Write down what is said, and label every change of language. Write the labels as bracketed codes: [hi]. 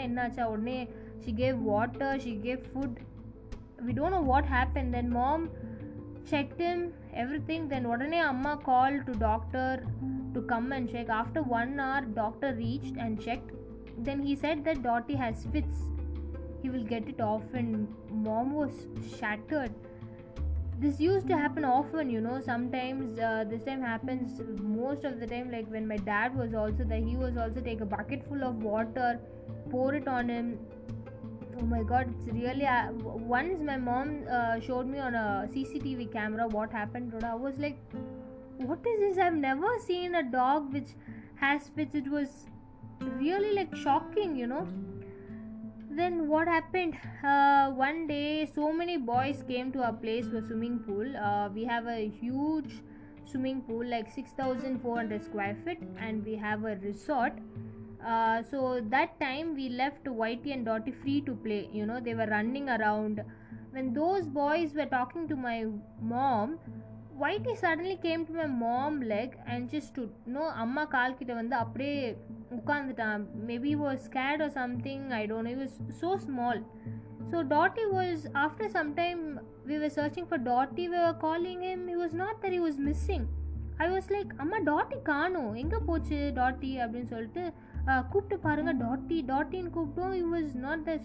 [ta] என்னாச்சா உடனே [en] She gave water she gave food we don't know what happen then mom check him everything then உடனே அம்மா call to doctor to come and check. After one hour doctor reach and check then he said that daddy has fits he will get it off and mom was shattered. This used to happen often, you know, sometimes this time happens most of the time, like when my dad was also there, he was also take a bucket full of water, pour it on him. Oh my god, it's really, once my mom showed me on a CCTV camera what happened, Roda, I was like, what is this? I've never seen a dog which has fits. It was really like shocking, you know. Then what happened, one day so many boys came to our place for swimming pool. We have a huge swimming pool, like 6400 square feet, and we have a resort. So that time we left Whitey and Dotty free to play, you know, they were running around. When those boys were talking to my mom, Whitey suddenly came to my mom leg and just stood, you know, [ta] amma kaal kitta vandu apde உட்காந்துட்டான். [en] Maybe was scared or something I don't you was so small. So daddy was after some time we were searching for daddy we were calling him he was not there he was missing. I was like [ta] அம்மா டாட்டி காணும் எங்கே போச்சு டாட்டி அப்படின்னு சொல்லிட்டு கூப்பிட்டு பாருங்க டாட்டி டாட்டின்னு கூப்பிட்டோம் [en] He was not there.